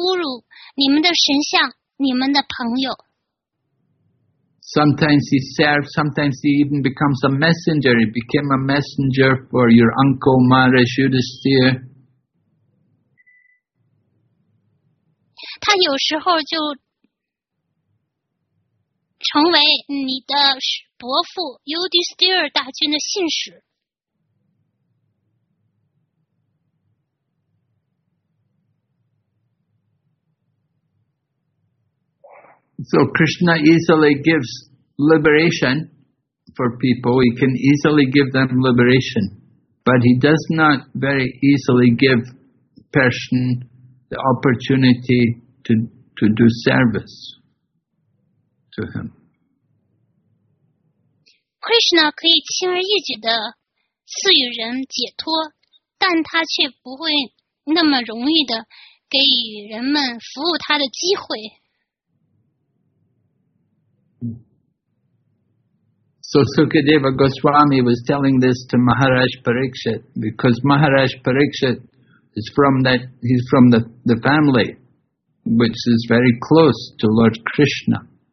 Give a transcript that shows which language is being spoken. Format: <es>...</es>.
<zh>他实际上是你们的guru,你们的神像,你们的朋友。</zh> <en>Sometimes he serves, sometimes he even becomes a messenger. He became a messenger for your uncle Maharaj Yudhisthira.</en> <zh>他有时候就成为你的伯父 Yudhisthira 大君的信使。</zh> <en>So Krishna easily gives liberation for people. He can easily give them liberation. But he does not very easily give a person the opportunity to do service to him.</en> <zh>Krishna 可以轻而易举地赐予人解脱, 但他却不会那么容易地给予人们服务他的机会。</zh> <en>So Sukadeva Goswami was telling this to Maharaj Parikshit, because Maharaj Parikshit is from that, he's from the family which is very close to Lord Krishna.</en>